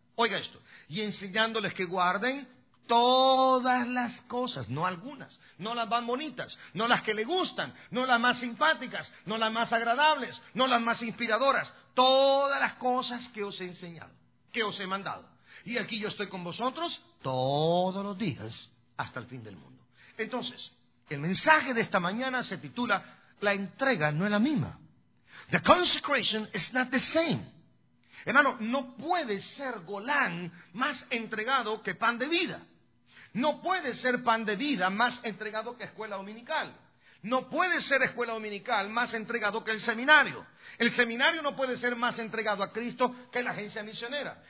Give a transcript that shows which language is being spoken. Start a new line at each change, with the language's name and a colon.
Spanish: Oiga esto, y enseñándoles que guarden todas las cosas, no algunas, no las más bonitas, no las que le gustan, no las más simpáticas, no las más agradables, no las más inspiradoras, todas las cosas que os he enseñado, que os he mandado. Y aquí yo estoy con vosotros todos los días hasta el fin del mundo. Entonces, el mensaje de esta mañana se titula, la entrega no es la misma.
English: The consecration is not the same.
Spanish: Hermano, no puede ser Golán más entregado que Pan de Vida. No puede ser Pan de Vida más entregado que Escuela Dominical. No puede ser Escuela Dominical más entregado que el seminario. El seminario no puede ser más entregado a Cristo que la agencia misionera.